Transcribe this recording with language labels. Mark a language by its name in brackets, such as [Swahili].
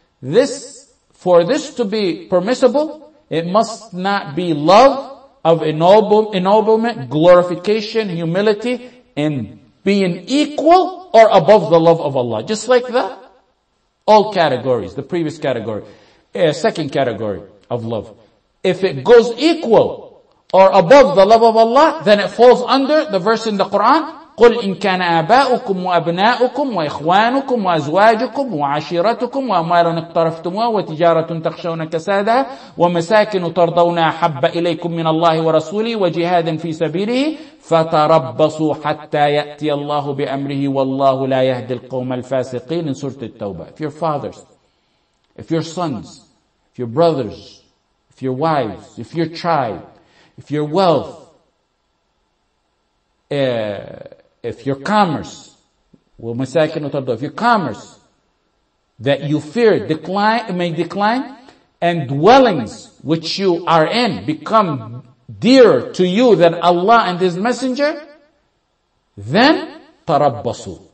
[English] This, for this to be permissible, it must not be love of ennoblement, glorification, humility, and being equal or above the love of Allah. Just like that, all categories, the previous category, second category of love. If it goes equal or above the love of Allah, then it falls under the verse in the Quran, [Arabic] قُلْ إِن كَانَ آبَاؤُكُمْ وَأَبْنَاؤُكُمْ وَإِخْوَانُكُمْ وَأَزْوَاجُكُمْ وَعَشِيرَتُكُمْ وَأَمْوَالٌ اقْتَرَفْتُمُوهَا وَتِجَارَةٌ تَخْشَوْنَ كَسَادَهَا وَمَسَاكِنُ تَرْضَوْنَ أَحَبَّ إِلَيْكُمْ مِنَ اللَّهِ وَرَسُولِهِ وَجِهَادٍ فِي سَبِيلِهِ فَتَرَبَّصُوا حَتَّى يَأْتِيَ اللَّهُ بِأَمْرِهِ وَاللَّهُ لَا يَهْدِي الْقَوْمَ الْفَاسِقِينَ. [English] سُورَةُ التَّوْبَةِ. If your fathers, if your sons, if your brothers, if your wives, if your tribe, if your wealth, if your commerce, if your commerce that you fear decline, may decline, and dwellings which you are in become dearer to you than Allah and His Messenger, then tarabbasu.